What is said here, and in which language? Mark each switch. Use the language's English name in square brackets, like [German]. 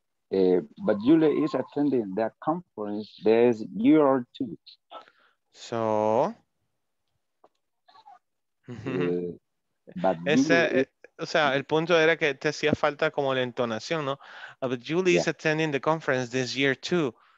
[English] But Julie is attending the conference this year too. So... [Spanish] el punto era que te hacía falta como la entonación, ¿no? [English] But Julie is attending the conference this year too.